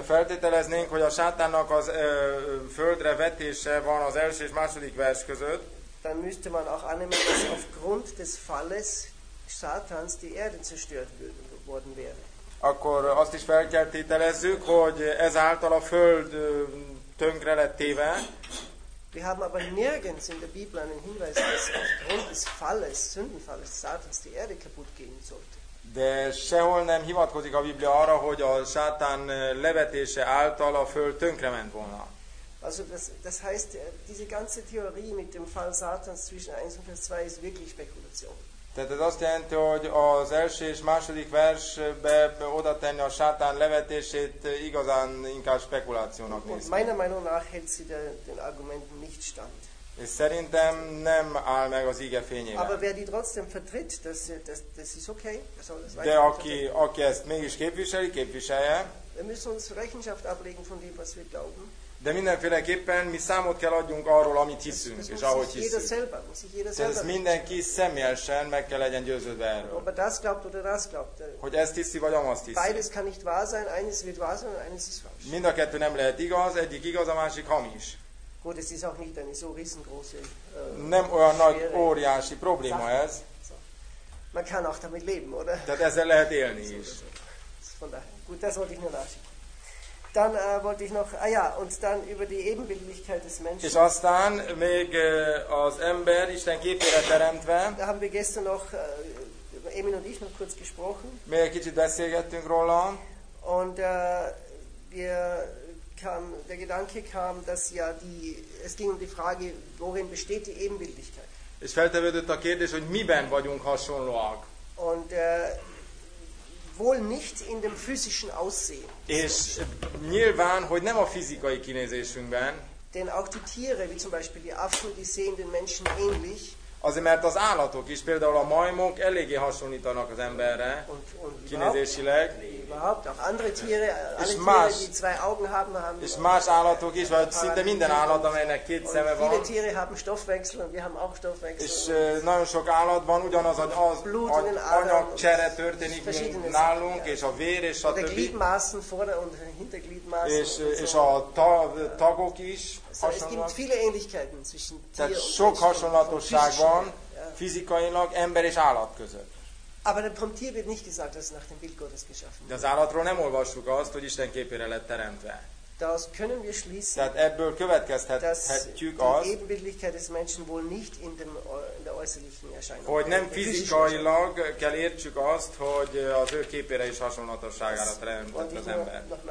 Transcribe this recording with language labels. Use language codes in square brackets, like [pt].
[hu] Hogyha feltételeznénk, hogy a Sátánnak az földre vetése van az első és második vers között, [de] dann müsste man auch annehmen, dass aufgrund des Falles Satans die Erde zerstört worden wäre. [hu] Akkor azt is fel kell tételezzük, hogy ezáltal a föld tönkre lett téve. [de] Wir haben aber nirgends in der Bibel einen Hinweis, dass aufgrund des Falles, Sündenfalles Satans die Erde kaputt gehen sollte. [hu] De sehol nem hivatkozik a Biblia arra, hogy a Sátán levetése által a föld tönkrement volna. [de] Also das heißt, diese ganze Theorie mit dem Fall Satans zwischen 1 und Vers 2 ist wirklich Spekulation. [hu] Tehát ez azt jelenti, hogy az első és második versbe oda tenni a sátán levetését igazán inkább spekulációnak néz. [de] Meiner Meinung nach hält sie den Argumenten nicht stand. [hu] És szerintem nem áll meg az ige fényében. [de] Aber wer die trotzdem vertritt, das ist okay. [hu] De aki ezt mégis képviselje. [de] Wir müssen uns Rechenschaft ablegen von dem, was wir glauben. [hu] De mindenféleképpen mi számot kell adjunk arról, amit hiszünk, és ahogy hiszünk. Tehát ez mindenki személyesen meg kell legyen győződve erről. [de] Ob er das glaubt oder das glaubt. [hu] Hogy ezt hiszi, vagy amazt hiszi. [de] Beides kann nicht wahr sein, eines wird wahr sein, eines ist falsch. [hu] Mind a kettő nem lehet igaz, egyik igaz, a másik hamis. [de] Gut, es ist auch nicht eine so riesengroße, [hu] nem olyan nagy, óriási probléma [de] Sachen. [hu] Ez. [de] So. Man kann auch damit leben, oder? [hu] Tehát ezzel lehet élni is. [de] So. Von daher. Gut, das wollte ich nur nachschicken. Dann wollte ich noch, und dann über die Ebenbildlichkeit des Menschen. [hu] És aztán még az ember Isten képére teremtve. [de] Da haben wir gestern noch, Emin und ich noch kurz gesprochen. [hu] Még egy kicsit beszélgettünk róla. [de] Und der Gedanke kam, dass ja es ging um die Frage, worin besteht die Ebenbildlichkeit. [hu] És feltevődött a kérdés, hogy miben vagyunk hasonlóak. [de] Und wohl nicht in dem physischen Aussehen. [hu] És nyilván, hogy nem a fizikai kinézésünkben. [de] Denn auch die Tiere, wie zum Beispiel die Affen, die sehen den Menschen ähnlich. [hu] Azért, mert az állatok is, például a majmok eléggé hasonlítanak az emberre kinézésileg. [de] Überhaupt auch andere Tiere, alle Tiere, [hu] más, [de] die zwei Augen haben. [hu] És más állatok is, vagy szinte minden állat, amelynek két szeme van. [de] Viele Tiere haben Stoffwechsel, und wir haben auch Stoffwechsel. [hu] És nagyon sok állatban ugyanaz az anyagcsere történik, mint nálunk, és a vér, és a többi. [de] Und der Gliedmaßen, vorder- und Hintergliedmaßen. [hu] És a tagok is. [de] Es gibt viele Ähnlichkeiten zwischen Tier und Mensch. [hu] Sok hasonlatosság van fizikailag ember és állat között. [de] Aber vom Tier wird nicht gesagt, dass es nach dem Bild Gottes geschaffen wurde. [hu] Az állatról nem olvassuk azt, hogy Isten képére lett teremtve. [de] Daraus können wir schließen. [hu] Tehát ebből következtethetjük azt, [de] die Ebenbildlichkeit des Menschen wohl nicht in der äußerlichen Erscheinung. [hu] Hogy nem fizikailag kell értsük azt, hogy az ő képére és hasonlatosságára teremtett az ember.